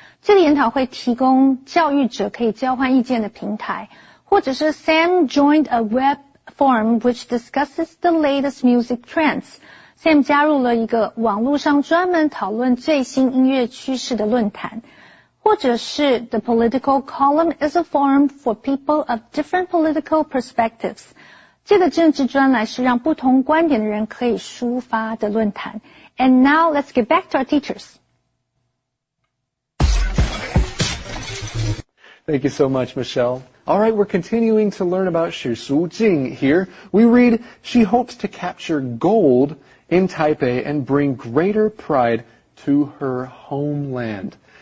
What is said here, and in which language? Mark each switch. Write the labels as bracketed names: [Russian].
[Chinese] 这个研讨会提供教育者可以交换意见的平台。或者是 [English] Sam joined a web forum which discusses the latest music trends. [Chinese] Sam 加入了一个网络上专门讨论最新音乐趋势的论坛。或者是 [English] the political column is a forum for people of different political perspectives. [Chinese] 这个政治专栏是让不同观点的人可以抒发的论坛。 [English] And now let's get back to our teachers. Thank you so much, Michelle. All right, we're continuing to learn about Xu Shujing here. We read, she hopes to capture gold in Taipei and bring greater pride to her homeland.